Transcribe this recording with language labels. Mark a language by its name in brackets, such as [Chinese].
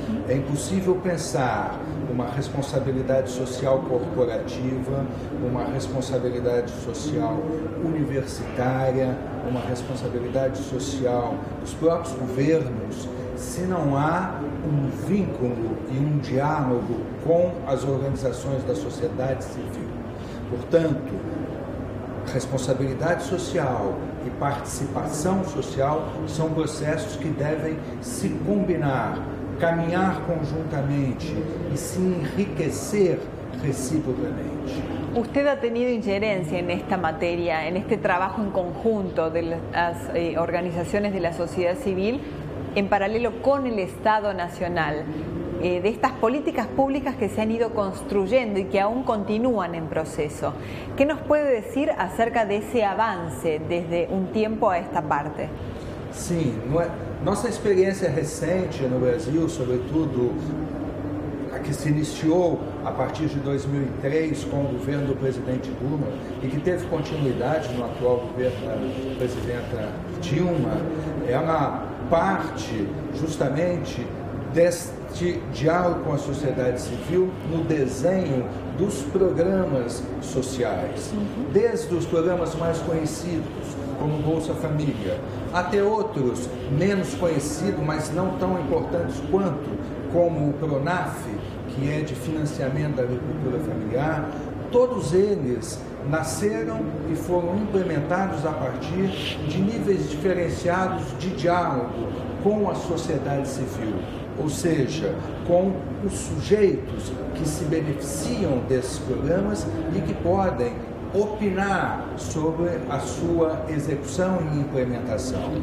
[Portuguese] É impossível pensar uma responsabilidade social corporativa, uma responsabilidade social universitária, uma responsabilidade social dos próprios governos, se não há um vínculo e um diálogo com as organizações da sociedade civil. Portanto, responsabilidade social e participação social são processos que devem se combinar, caminhar conjuntamente e se enriquecer reciprocamente. [Spanish] Usted ha tenido injerencia en esta materia, en este trabajo en conjunto de las organizaciones de la sociedad civil, en paralelo con el Estado Nacional, de estas políticas públicas que se han ido construyendo y que aún continúan en proceso. ¿Qué nos puede decir acerca de ese avance desde un tiempo a esta parte? Sí, nuestra experiencia reciente en Brasil, sobre todo la que se inició a partir de 2003 con el gobierno del presidente Dilma y que tuvo continuidad en el actual gobierno de la presidenta Dilma, es una parte justamente [Portuguese] deste diálogo com a sociedade civil no desenho dos programas sociais. Desde os programas mais conhecidos, como Bolsa Família, até outros menos conhecidos, mas não tão importantes quanto, como o PRONAF, que é de financiamento da agricultura familiar, todos eles nasceram e foram implementados a partir de níveis diferenciados de diálogo com a sociedade civil, ou seja, com os sujeitos que se beneficiam desses programas e que podem opinar sobre a sua execução e implementação.